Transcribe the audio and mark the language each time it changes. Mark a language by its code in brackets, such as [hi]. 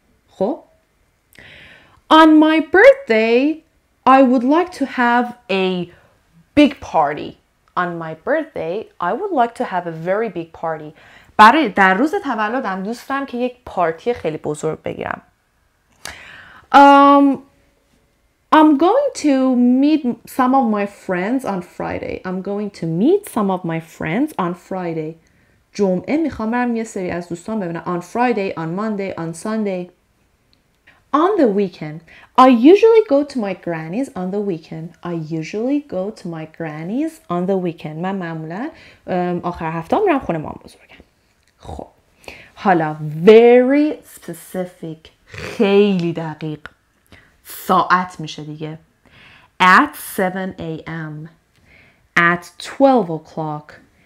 [fa] خب [en] On my birthday I would like to have a big party. On my birthday I would like to have a very big party. [fa] برای در روز تولدم دوست دارم که یک پارتی خیلی بزرگ بگیرم. [en] I'm going to meet some of my friends on Friday. I'm going to meet some of my friends on Friday. [fa] جمعه میخوام برم یه سری از دوستان ببینم. [en] On Friday, on Monday, on Sunday. On the weekend, I usually go to my granny's on the weekend. I usually go to my granny's on the weekend. [fa] من معمولا آخر هفته میرم خونه مام بزرگم. خب. حالا [en] very specific. [fa] خیلی دقیق. ساعت میشه دیگه. [en] At 7 a.m. At 12 o'clock.